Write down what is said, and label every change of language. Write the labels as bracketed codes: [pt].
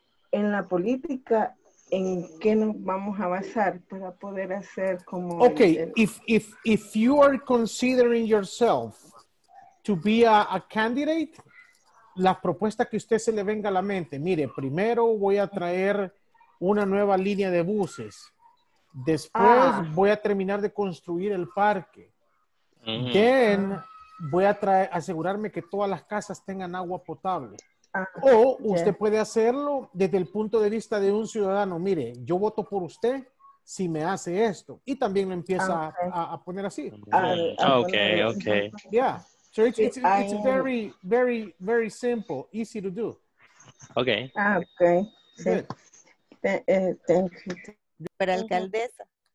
[es] en la política, ¿en qué nos vamos a basar para poder hacer como... [en] Okay, if you are considering yourself to be a candidate... [es] La propuesta que usted se le venga a la mente, mire, primero voy a traer una nueva línea de buses. Después voy a terminar de construir el parque. Mm-hmm. Then voy a asegurarme que todas las casas tengan agua potable. O usted puede hacerlo desde el punto de vista de un ciudadano. Mire, yo voto por usted si me hace esto. Y también lo empieza a poner así. [en] Okay. Yeah. So it's very, very, very simple, easy to do. Okay. Ah, okay. Good. Thank you. [es] Para alcaldesa.